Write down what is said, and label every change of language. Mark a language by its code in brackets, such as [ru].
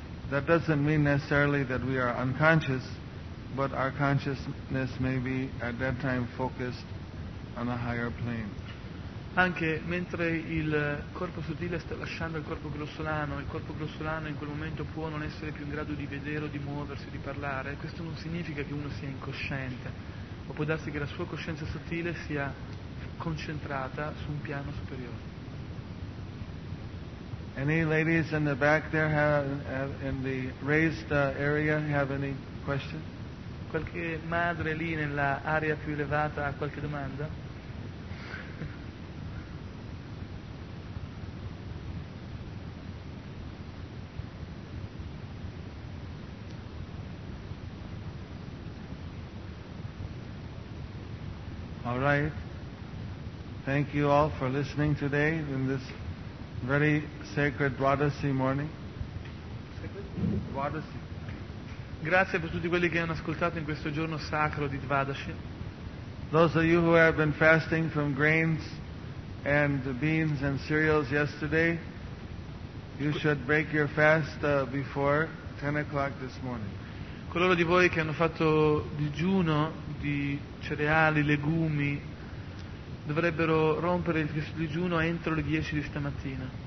[en] That doesn't mean necessarily that we are unconscious, but our consciousness may be at that time focused on a higher plane. [it] Anche mentre il corpo sottile sta lasciando il corpo grossolano in quel momento può non essere più in grado di vedere o di muoversi, di parlare, questo non significa che uno sia incosciente, ma può darsi che la sua coscienza sottile sia concentrata su un piano superiore. [en] Any ladies in the back there have in the raised area have any question? [it] Qualche madre lì nell'area più elevata ha qualche domanda? [en] Right. Thank you all for listening today in this very sacred Dwadasi morning. Dwadasi. [it] Grazie per tutti quelli che hanno ascoltato in questo giorno sacro di Dwadasi. [en] Those of you who have been fasting from grains and beans and cereals yesterday, you should break your fast before 10 o'clock this morning. [it] Coloro di voi che hanno fatto digiuno di cereali, legumi, dovrebbero rompere il digiuno entro le 10 di stamattina.